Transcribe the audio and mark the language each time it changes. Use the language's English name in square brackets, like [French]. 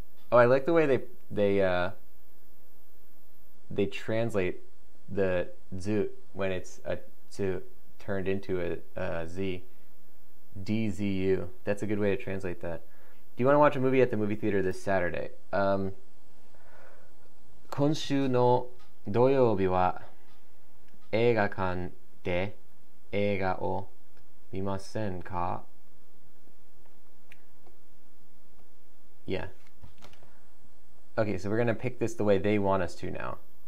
[English] Oh, I like the way they translate the zu when it's a zu turned into a z. D-Z-U. That's a good way to translate that. Do you want to watch a movie at the movie theater this Saturday? [Japanese] 今週の土曜日は映画館 で 映画を見ませんか? [English] Yeah. Okay, so we're going to pick this the way they want us to now.